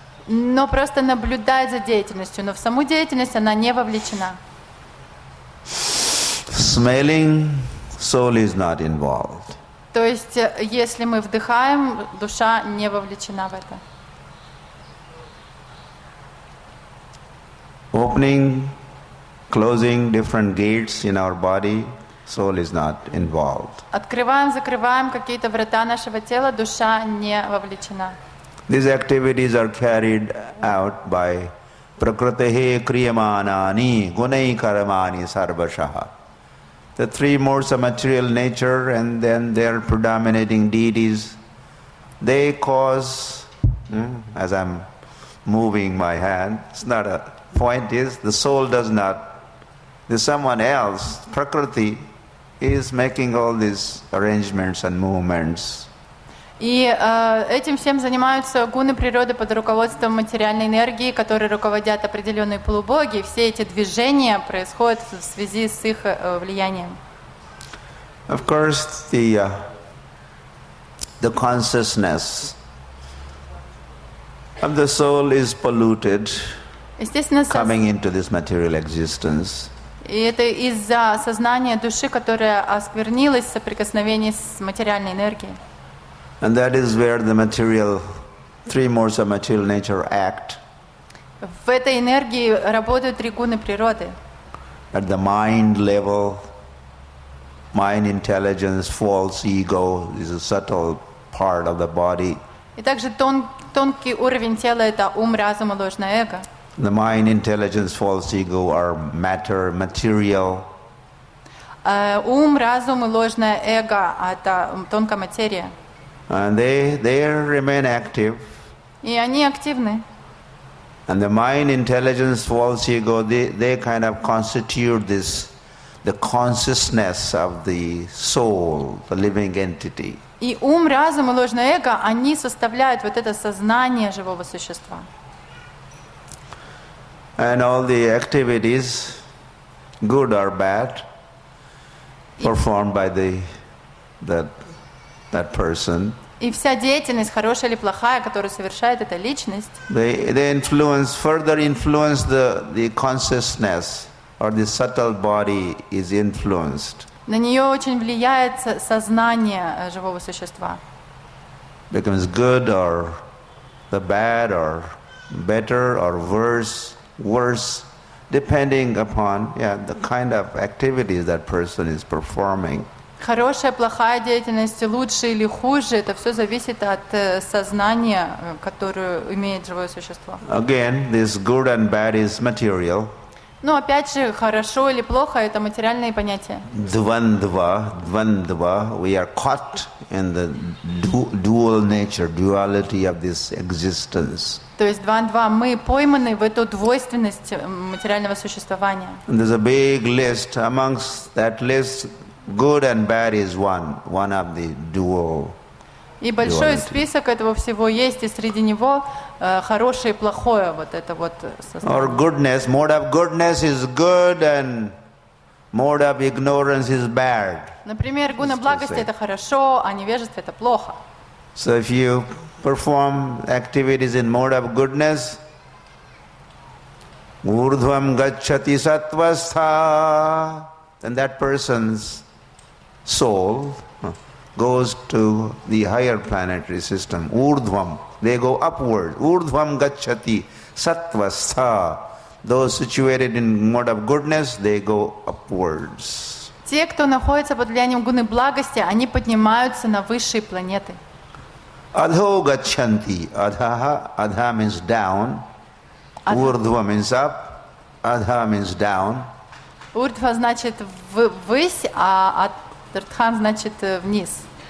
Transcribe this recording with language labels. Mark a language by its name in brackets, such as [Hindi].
[Russian] Но просто наблюдает за деятельностью, но в саму деятельность она не вовлечена. [English] Smelling, soul is not involved. [Russian] То есть, если мы вдыхаем, душа не вовлечена в это. [English] Opening, closing different gates in our body, soul is not involved. [Russian] Открываем, закрываем какие-то врата нашего тела, душа не вовлечена. [English] These activities are carried out by [Sanskrit] prakritihi kriyamanani gunai karmani sarvashah. [English] The three modes of material nature and then their predominating deities, they cause, as I'm moving my hand, it's not a point, is the soul does not, there's someone else, prakriti, He is making all these arrangements and movements. [Russian] И этим всем занимаются гуны природы под руководством материальной энергии, которые руководят определенные полубоги. Все эти движения происходят в связи с их влиянием. [English] Of course, the consciousness of the soul is polluted coming into this material existence. [Russian] И это из-за сознания души, которое осквернилось в соприкосновении с материальной энергией. [English] And that is where the material, three modes of material nature act. [Russian] В этой энергии работают три гуны природы. [English] At the mind level, mind intelligence, false ego is a subtle part of the body. [Russian] И также тонкий уровень тела – это ум, разум и ложное эго. [English] The mind, intelligence, false ego are matter, material. [Russian] Ум, разум и ложное эго – это тонкая материя. [English] And they remain active. [Russian] И они активны. [English] And the mind, intelligence, false ego, they kind of constitute this, the consciousness of the soul, the living entity. [Russian] И ум, разум и ложное эго, они составляют вот это сознание живого существа. [English] And all the activities, good or bad, performed by that person. [Russian] И вся деятельность, хорошая или плохая, которую совершает эта личность, [English] they influence, further influence the consciousness or the subtle body is influenced. [Russian] На нее очень влияет сознание живого существа. [English] Becomes good or the bad or better or worse, depending upon the kind of activities that person is performing. [Russian] Хорошая, плохая деятельность, лучше или хуже, это все зависит от сознания, которое имеет живое существо. [English] Again, this good and bad is material. [Russian] Ну, опять же, хорошо или плохо – это материальные понятия. [English] Двандва, we are caught in the dual nature, duality of this existence. [Russian] То есть двандва, мы пойманы в эту двойственность материального существования. [English] There's a big list. Amongst that list, good and bad is one of the dual. [Russian] И большой список этого всего есть, и среди него хорошее и плохое вот это вот состояние. [English] Or goodness, mode of goodness is good, and mode of ignorance is bad. [Russian] Например, гуна благости это хорошо, а невежество это плохо. [English] So if you perform activities in mode of goodness, [Sanskrit] urdhvam gacchati sattvastha, [English] then that person's soul goes to the higher planetary system, urdhvam. They go upward. [Sanskrit] Urdhvam gacchati sattvastha. [English] Those situated in mode of goodness, they go upwards. [Russian] Те, кто находится под влиянием гуны благости, они поднимаются на высшие планеты. [Sanskrit] Adho gacchanti. [English] Adha means down. Urdhva means up. Adha means down. [Russian] Urdhva значит ввысь, а Дартхан значит вниз.